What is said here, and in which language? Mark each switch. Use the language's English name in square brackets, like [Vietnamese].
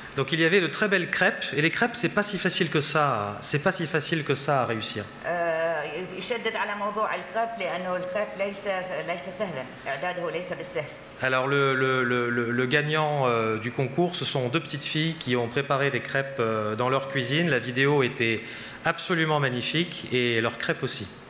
[French] Donc il y avait de très belles crêpes et les crêpes c'est pas si facile que ça à réussir. [Arabic] يشدد على موضوع الكريب لأنه الكريب ليس سهلا إعداده ليس بالسهل. [French] Alors le gagnant du concours, ce sont deux petites filles qui ont préparé des crêpes dans leur cuisine. La vidéo était absolument magnifique et leurs crêpes aussi.